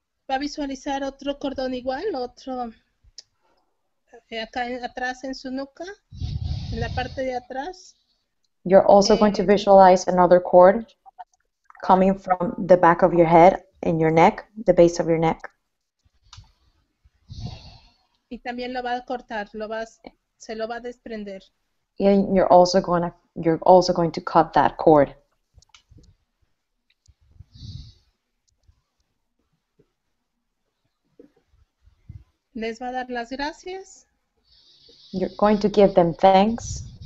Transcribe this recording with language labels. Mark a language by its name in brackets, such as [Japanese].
[Spanish] Va a visualizar otro cordón igual, otro acá atrás en su nuca, en la parte de atrás. [English] You're also going to visualize another cord coming from the back of your head in your neck, the base of your neck. [Spanish] Y también lo va a cortar, se lo va a desprender. [English] And you're also going to cut that cord. [Spanish] Les va a dar las gracias. [English] You're going to give them thanks.